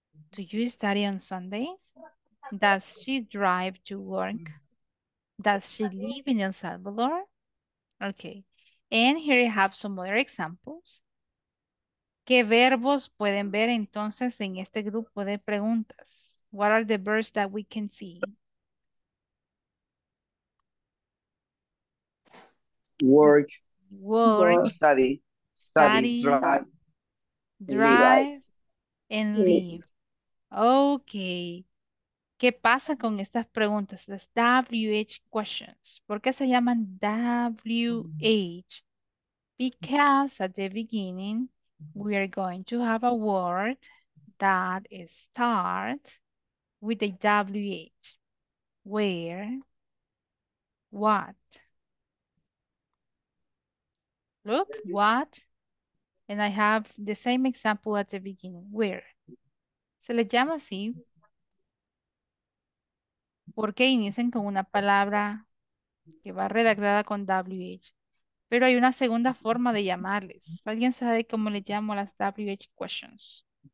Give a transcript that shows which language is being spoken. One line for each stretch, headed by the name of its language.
English: Do you study on Sundays? Does she drive to work? Does she live in El Salvador? Okay. And here you have some other examples.
Spanish: ¿Qué verbos pueden ver entonces en este grupo de preguntas?
English: What are the verbs that we can see? Work, Work, study, study, drive, live. drive, and leave. Okay.
Spanish: ¿Qué pasa con estas preguntas, las WH questions? ¿Por qué se llaman WH?
English: Because at the beginning, we are going to have a word that starts with the WH. Where? What? Look, what? And I have the same example at the beginning. Where?
Spanish: Se le llama así porque inician con una palabra que va redactada con WH. Pero hay una segunda forma de llamarles. ¿Alguien sabe cómo le llamo a las WH questions?